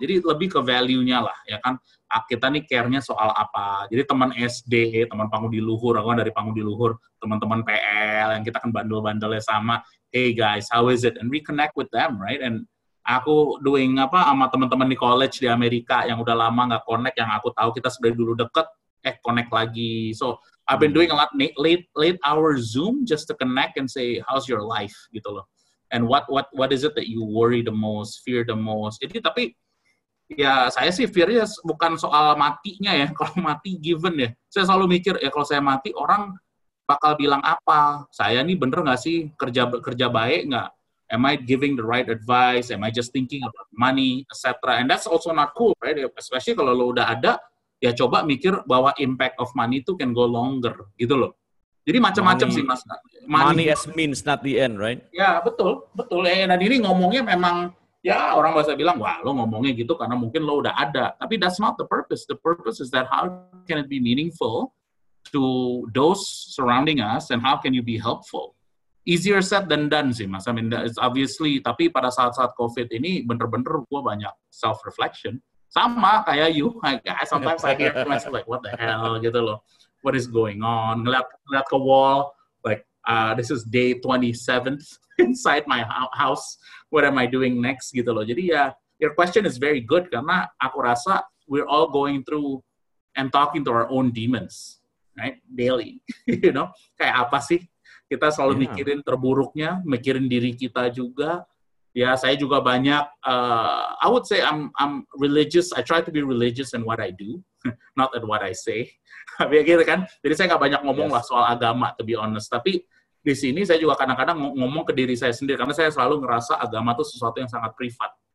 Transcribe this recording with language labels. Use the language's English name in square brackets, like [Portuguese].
[Indonesian] Jadi lebih ke value-nya lah, ya kan. Kita nih care-nya soal apa. Jadi teman SD, teman Pangudi Luhur, aku kan dari Pangudi Luhur, teman-teman PL yang kita kan bandel-bandelnya sama. [English] Hey guys, how is it? And reconnect with them, right? [Indonesian] And aku doing apa sama teman-teman di college di Amerika yang udah lama nggak connect, yang aku tahu kita sebenarnya dulu deket, connect lagi. [English] So I've been doing a lot late hour Zoom just to connect and say how's your life, [Indonesian] gitu loh. [English] And what is it that you worry the most, fear the most? [Indonesian] Jadi tapi ya saya sih fearnya bukan soal matinya ya. Kalau mati given ya, saya selalu mikir ya kalau saya mati orang bakal bilang apa? Saya nih bener nggak sih kerja baik nggak? [English] Am I giving the right advice? Am I just thinking about money, etc.? And that's also not cool, right? [Indonesian] Especially kalau lo udah ada, ya coba mikir bahwa [English] impact of money [Indonesian] itu [English] can go longer, [Indonesian] gitu loh. Jadi macam-macam sih, Mas. [English] Money as means, not the end, right? [Indonesian] Ya, betul. Betul. Dan ini ngomongnya memang, ya orang bahasa bilang, wah lo ngomongnya gitu karena mungkin lo udah ada. Tapi [English] that's not the purpose. The purpose is that how can it be meaningful to those surrounding us and how can you be helpful? Easier said than done [Indonesian] sih, Mas. [English] I mean, it's obviously, [Indonesian] tapi pada saat-saat COVID ini, bener-bener gue banyak self-reflection. Sama kayak [English] you, like, sometimes I hear myself like, what the hell, [Indonesian] gitu loh. [English] What is going on? [Indonesian] Ngeliat ke [English] wall, like, this is day 27th inside my house. What am I doing next, [Indonesian] gitu loh. Jadi ya, [English] your question is very good, [Indonesian] karena aku rasa [English] we're all going through and talking to our own demons, right? Daily, you know? [Indonesian] Kayak apa sih? Kita selalu mikirin terburuknya, mikirin diri kita juga. Ya, saya juga banyak, [English] I would say I'm religious, I try to be religious in what I do, not in what I say. [Indonesian] Tapi gitu kan, jadi saya gak banyak ngomong lah soal agama, [English] to be honest. [Indonesian] Tapi di sini saya juga kadang-kadang ngomong ke diri saya sendiri, karena saya selalu ngerasa agama itu sesuatu yang sangat privat.